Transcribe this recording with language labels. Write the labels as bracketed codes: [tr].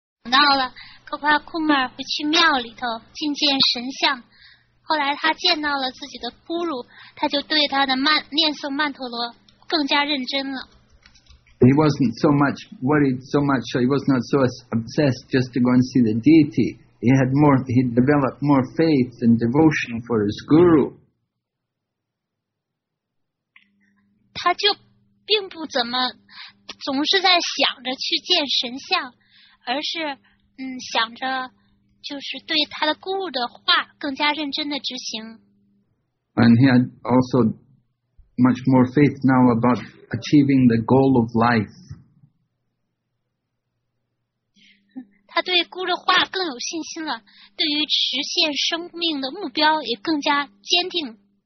[zh] 到了 Gopa Kumar 回去庙里头觐见神像后来他见到了自己的咕噜他就对他的念诵曼陀罗更加认真了 [en] He wasn't so much worried so much so he was not so obsessed just to go and see the deity he developed more faith and devotion for his guru [zh] 他就并不怎么总是在想着去见神像而是想着就是对他的咕噜的话更加认真的执行 [en] And he had also much more faith now about achieving the goal of life [zh] 他对咕噜的话更有信心了对于实现生命的目标也更加坚定